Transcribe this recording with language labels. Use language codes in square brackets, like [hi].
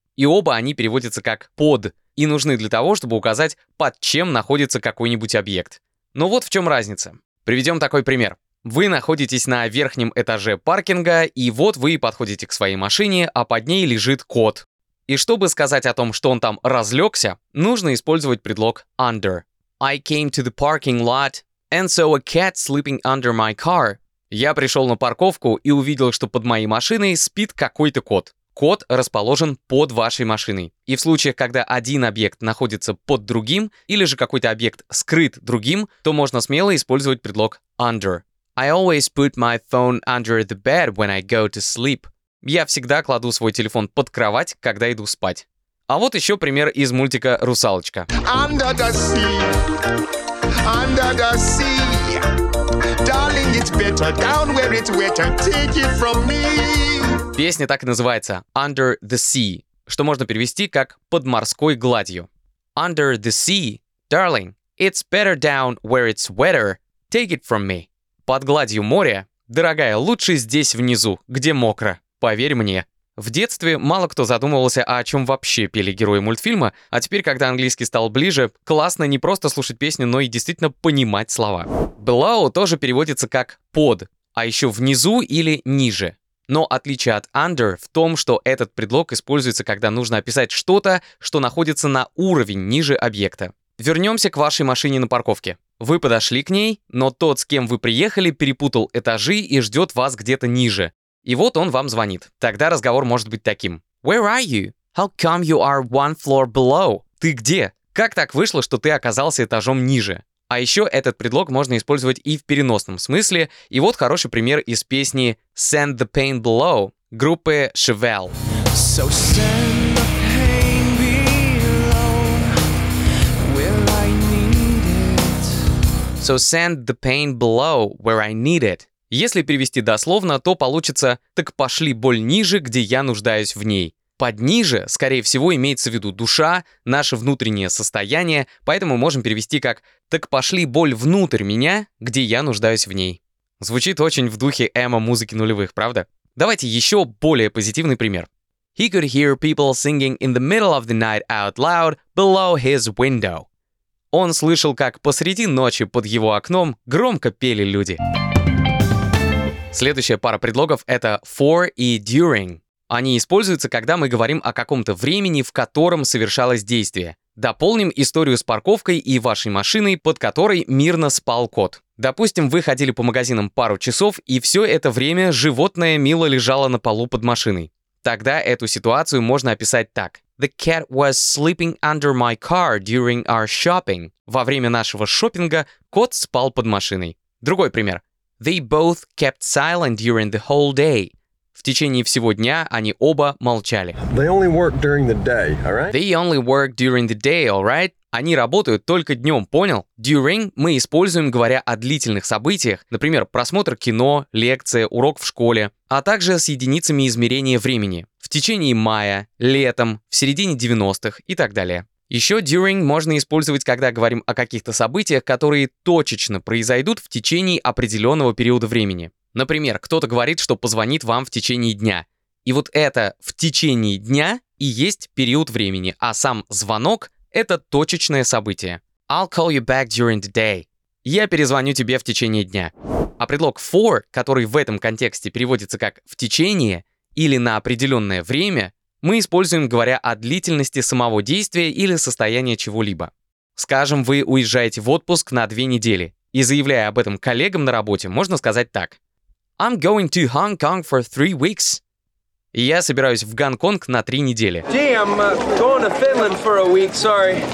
[ru] И оба они переводятся как «под» и нужны для того, чтобы указать, под чем находится какой-нибудь объект. Но вот в чем разница. Приведем такой пример. Вы находитесь на верхнем этаже паркинга, и вот вы подходите к своей машине, а под ней лежит кот. И чтобы сказать о том, что он там разлегся, нужно использовать предлог under. [en] I came to the parking lot, and saw a cat sleeping under my car. [ru] Я пришел на парковку и увидел, что под моей машиной спит какой-то кот. Код расположен под вашей машиной. И в случаях, когда один объект находится под другим, или же какой-то объект скрыт другим, то можно смело использовать предлог under. [en] I always put my phone under the bed when I go to sleep. [ru] Я всегда кладу свой телефон под кровать, когда иду спать. А вот еще пример из мультика «Русалочка». [en] Under the sea, under the sea. Darling, it's better down where it's wetter. Take it from me. [ru] Песня так и называется «Under the Sea», что можно перевести как «под морской гладью». [en] «Under the sea, darling, it's better down where it's wetter, take it from me». [ru] «Под гладью моря, дорогая, лучше здесь внизу, где мокро, поверь мне». В детстве мало кто задумывался, о чем вообще пели герои мультфильма, а теперь, когда английский стал ближе, классно не просто слушать песню, но и действительно понимать слова. «Below» тоже переводится как «под», а еще «внизу» или «ниже». Но отличие от under в том, что этот предлог используется, когда нужно описать что-то, что находится на уровень ниже объекта. Вернемся к вашей машине на парковке. Вы подошли к ней, но тот, с кем вы приехали, перепутал этажи и ждет вас где-то ниже. И вот он вам звонит. Тогда разговор может быть таким. [en] Where are you? How come you are one floor below? [ru] Ты где? Как так вышло, что ты оказался этажом ниже? А еще этот предлог можно использовать и в переносном смысле. И вот хороший пример из песни «Send the Pain Below» группы «Chevelle». [en] So send the pain below, where I need it. So send the pain below, where I need it. [ru] Если перевести дословно, то получится «Так пошли боль ниже, где я нуждаюсь в ней». Под ниже, скорее всего, имеется в виду душа, наше внутреннее состояние, поэтому можем перевести как «Так пошли боль внутрь меня, где я нуждаюсь в ней». Звучит очень в духе эмо музыки нулевых, правда? Давайте еще более позитивный пример. [en] He could hear people singing in the middle of the night out loud below his window. [ru] Он слышал, как посреди ночи под его окном громко пели люди. Следующая пара предлогов — это «for» и «during». Они используются, когда мы говорим о каком-то времени, в котором совершалось действие. Дополним историю с парковкой и вашей машиной, под которой мирно спал кот. Допустим, вы ходили по магазинам пару часов, и все это время животное мило лежало на полу под машиной. Тогда эту ситуацию можно описать так. [en] The cat was sleeping under my car during our shopping. [ru] Во время нашего шопинга кот спал под машиной. Другой пример. [en] They both kept silent during the whole day. [ru] В течение всего дня они оба молчали. [en] They only work during the day, all right? They only work during the day, all right? [ru] Они работают только днем, понял? During мы используем, говоря о длительных событиях, например, просмотр кино, лекция, урок в школе, а также с единицами измерения времени. В течение мая, летом, в середине 90-х и так далее. Еще during можно использовать, когда говорим о каких-то событиях, которые точечно произойдут в течение определенного периода времени. Например, кто-то говорит, что позвонит вам в течение дня. И вот это «в течение дня» и есть период времени, а сам звонок — это точечное событие. [en] I'll call you back during the day. [ru] Я перезвоню тебе в течение дня. А предлог for, который в этом контексте переводится как «в течение» или «на определенное время», мы используем, говоря о длительности самого действия или состояния чего-либо. Скажем, вы уезжаете в отпуск на 2 недели, и заявляя об этом коллегам на работе, можно сказать так. [en] I'm going to Hong Kong for 3 weeks. [ru] Я собираюсь в Гонконг на 3 недели. [en] Gee, I'm going to Finland for a week, sorry.